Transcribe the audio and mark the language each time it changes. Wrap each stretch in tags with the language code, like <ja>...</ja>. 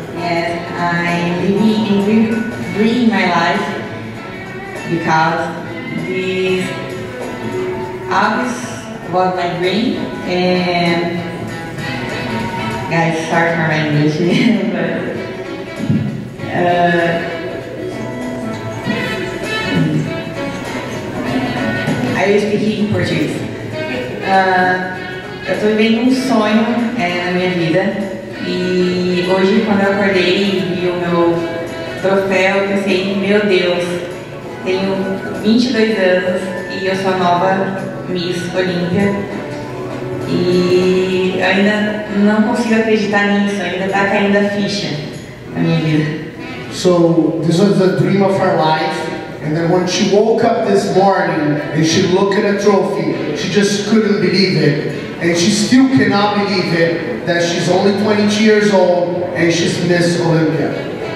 <en>Yes, I'm reading my life because this August was my dream, and guys, sorry for my English, but I used to speak in Portuguese.</en> <pt>Eu estou vivendo sonho na minha vida, e hoje quando eu acordei e vi o meu troféu, eu pensei, meu Deus, tenho 22 anos e eu sou a nova Miss Olympia e ainda não consigo acreditar nisso, ainda está caindo a ficha na minha vida.</pt> <en>So this was the dream of her life, and then when she woke up this morning and she looked at a trophy, she just couldn't believe it, and she still cannot believe it that she's only 22 years old and she's Miss Olympia.</en>